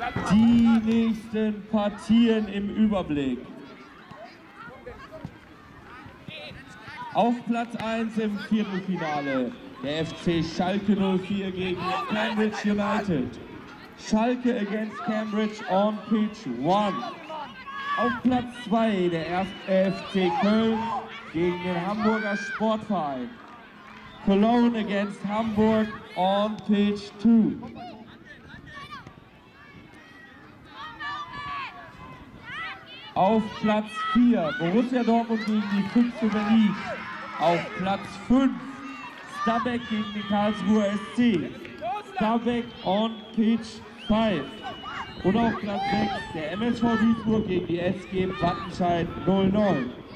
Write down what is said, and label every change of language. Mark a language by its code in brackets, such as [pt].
[de] Die nächsten Partien im Überblick. Auf Platz 1 im Viertelfinale der FC Schalke 04 gegen Cambridge United. [en] Schalke against Cambridge on pitch 1. [de] Auf Platz 2 der FC Köln gegen den Hamburger Sportverein. [en] Cologne against Hamburg on pitch 2. [de] Auf Platz 4 Borussia Dortmund gegen die 5. Berlin. Auf Platz 5 Stabæk gegen die Karlsruher SC. [en] Stabæk on pitch 5. [de] Und auf Platz 6 der MSV Duisburg gegen die SG Wattenscheid 09.